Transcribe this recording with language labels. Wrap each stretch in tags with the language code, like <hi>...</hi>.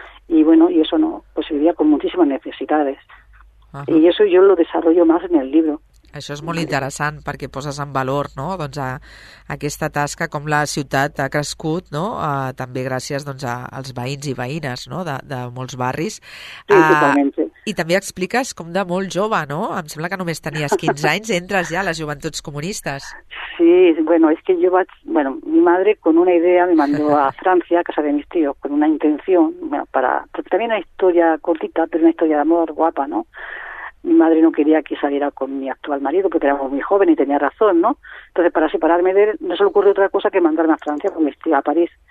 <es>Y bueno, y eso no, pues vivía con muchísimas necesidades. Ajá. Y eso yo lo desarrollo más en el libro.</es> <ca>Això és molt interessant, perquè poses en valor, no? Doncs a aquesta tasca, com la ciutat ha crescut, no? També gràcies, doncs, als veïns i veïnes, no? De molts barris. Sí, i també expliques com de molt jove, no? Em sembla que només tenies 15 anys, entres ja a les Joventuts Comunistes. Sí, bueno, és que jo vaig...</ca> <es>Bueno, mi madre, con una idea, me mandó a Francia, a casa de mis tíos, con una intención, bueno, para... Porque también una historia cortita, pero una historia de amor guapa, ¿no? Mi madre no quería que saliera con mi actual marido, porque éramos muy jóvenes y tenía razón, ¿no? Entonces, para separarme de él, no se le ocurrió otra cosa que mandarme a Francia con mi tía a París.</es>